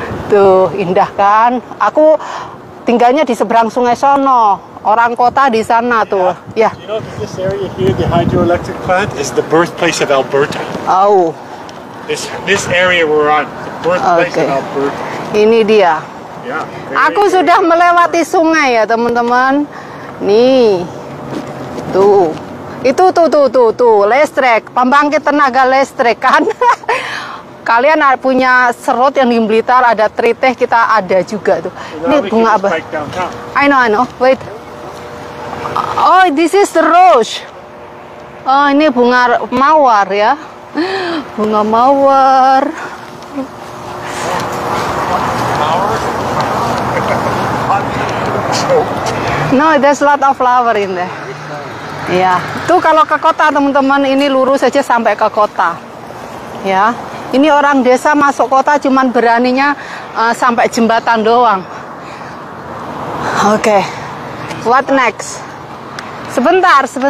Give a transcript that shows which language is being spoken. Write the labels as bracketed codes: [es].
[id] Tuh indah kan, aku tinggalnya di seberang sungai sono, orang kota di sana tuh ya. [en] You know, this area here, the hydroelectric plant, is the birthplace of Alberta. Oh, this area we're on. Okay. [id] Ini dia. [en] Yeah, [id] aku sudah melewati sungai ya, teman-teman. Nih. Tuh. Itu tuh listrik, pembangkit tenaga listrik kan. Kalian punya serut yang di Blitar, ada Triteh, kita ada juga tuh. Ini bunga apa? [en] I know. Wait. Oh, this is the rose. [id] Oh, ini bunga mawar ya. Bunga mawar. [en] No, there's a lot of flower in there. [id] Ya, itu kalau ke kota teman-teman, ini lurus saja sampai ke kota. Ya, ini orang desa masuk kota cuman beraninya sampai jembatan doang. [en] Oke, okay. What next? Sebentar.